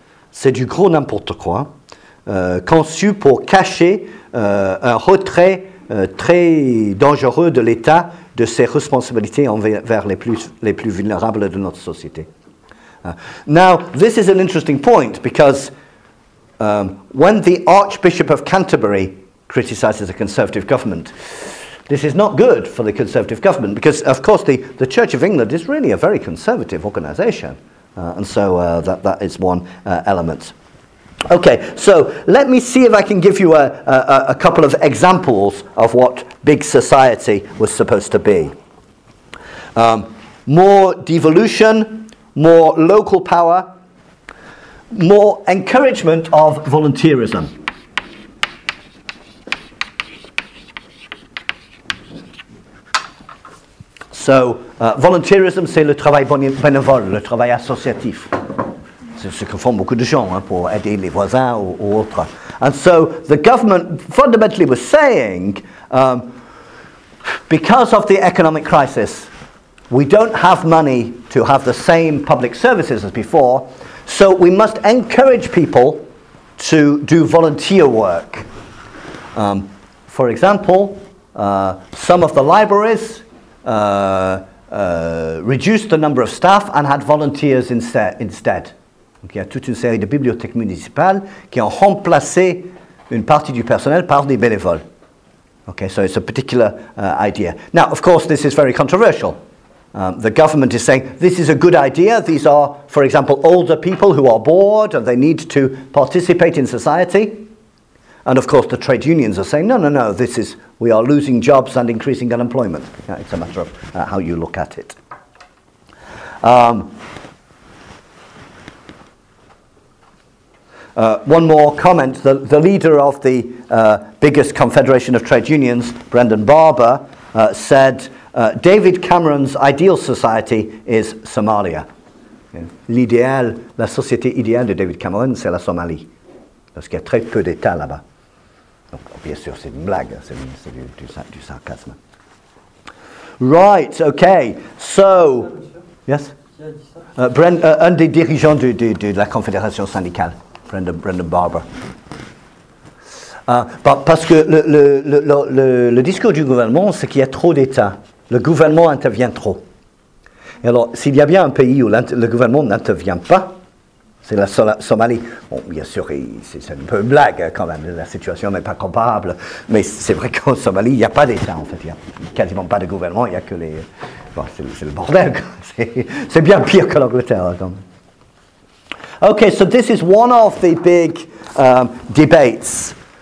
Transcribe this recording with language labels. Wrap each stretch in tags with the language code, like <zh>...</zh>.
<fr>C'est du gros n'importe quoi, conçu pour cacher un retrait très dangereux de l'État de ses responsabilités envers les plus vulnérables de notre société.</fr> <en>Now, this is an interesting point because when the Archbishop of Canterbury criticizes a conservative government, this is not good for the conservative government because, of course, the Church of England is really a very conservative organization. And so that is one element. Okay, so let me see if I can give you a couple of examples of what big society was supposed to be. More devolution, more local power, more encouragement of volunteerism.</en> <fr>So, volunteerism, c'est le travail bénévole, le travail associatif. C'est ce que font beaucoup de gens hein, pour aider les voisins ou autres.</fr> <en>And so, the government fundamentally was saying, because of the economic crisis, we don't have money to have the same public services as before, so we must encourage people to do volunteer work. For example, some of the libraries reduced the number of staff and had volunteers instead.</en> <fr>Donc il y a toute une série de bibliothèques municipales qui ont remplacé une partie du personnel par des bénévoles.</fr> <en>Okay, so it's a particular idea. Now, of course, this is very controversial. The government is saying, this is a good idea. These are, for example, older people who are bored and they need to participate in society. And of course, the trade unions are saying, no, we are losing jobs and increasing unemployment. Yeah, it's a matter of how you look at it. One more comment. The leader of the biggest confederation of trade unions, Brendan Barber, said, David Cameron's ideal society is Somalia.</en> <fr>L'idéal, la société idéale de David Cameron, c'est la Somalie. Parce qu'il y a très peu d'État là-bas. Donc, bien sûr, c'est une blague, c'est du sarcasme.</fr> <en>Right, okay. So, yes?</en> <fr>Un des dirigeants de la Confédération syndicale, Brendan Barber. Parce que le discours du gouvernement, c'est qu'il y a trop d'État. Le gouvernement intervient trop. Et alors, s'il y a bien un pays où le gouvernement n'intervient pas, c'est la Somalie. Bon, bien sûr, c'est un peu une blague quand même. La situation n'est pas comparable. Mais c'est vrai qu'en Somalie, il n'y a pas d'État, en fait. Il n'y a quasiment pas de gouvernement. Il n'y a que les... Bon, c'est le bordel. C'est bien pire que l'Angleterre.</fr> <en>Okay, so this is one of the big debates.</en>